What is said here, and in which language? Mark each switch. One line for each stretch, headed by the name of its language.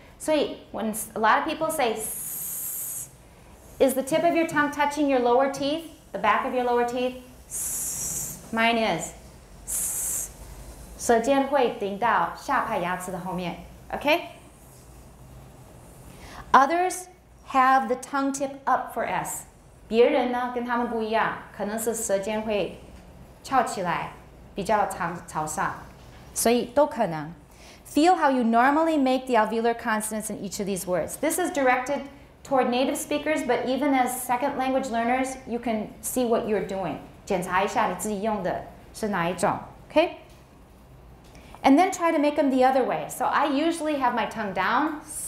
English: So when a lot of people say S, is the tip of your tongue touching your lower teeth, the back of your lower teeth? S, mine is. S,
Chinese: 舌尖会顶到下排牙齿的后面,
English: okay? Others have the tongue tip up for S.
Chinese: 别人呢跟他们不一样，可能是舌尖会翘起来，比较长朝上，所以都可能。
English: Feel how you normally make the alveolar consonants in each of these words. This is directed toward native speakers, but even as second language learners, you can see what you're doing.
Chinese: 检查一下你自己用的是哪一种 ，
English: okay? And then try to make them the other way. So I usually have my tongue down.